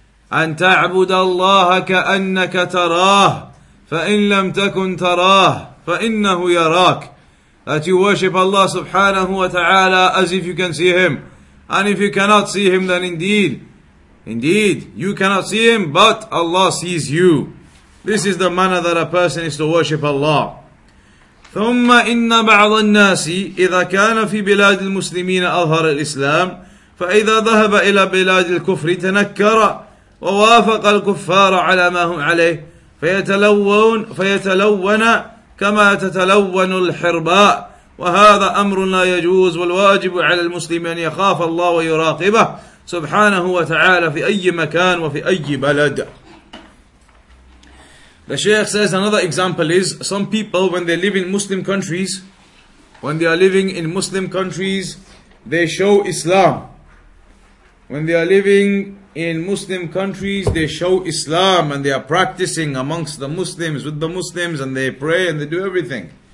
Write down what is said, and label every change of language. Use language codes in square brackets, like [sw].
[ar] أَنْ تَعْبُدَ اللَّهَ كَأَنَّكَ تَرَاهُ فَإِنْ لَمْ تَكُنْ تَرَاهُ فَإِنَّهُ يَرَاكُ. [en] That you worship Allah subhanahu wa ta'ala as if you can see Him. And if you cannot see Him, then indeed, you cannot see Him, but Allah sees you. This is the manner that a person is to worship Allah. [ar] ثُمَّ إِنَّ بَعْضَ النَّاسِ إِذَا كَانَ فِي بِلَادِ الْمُسْلِمِينَ أَظْهَرَ الْإِسْلَامِ فَإِذَا ذَهَبَ إِلَى بِلَادِ الْكُفْرِ تَنَكَّرَ وَوَافَقَ الْكُفَّارَ عَلَى مَا هُمْ عَلَيْهِ فَيَتَلَوَّنَ كما تتلون الحرباء وهذا أمر لا يجوز والواجب على المسلم أن يخاف الله ويراقبه سبحانه وتعالى في أي مكان وفي أي بلد. [en] The Shaykh says another example is some people when they live in Muslim countries, when they are living in Muslim countries, they show Islam. When they are living in Muslim countries, they show Islam and they are practicing amongst the Muslims, with the Muslims, and they pray and they do everything.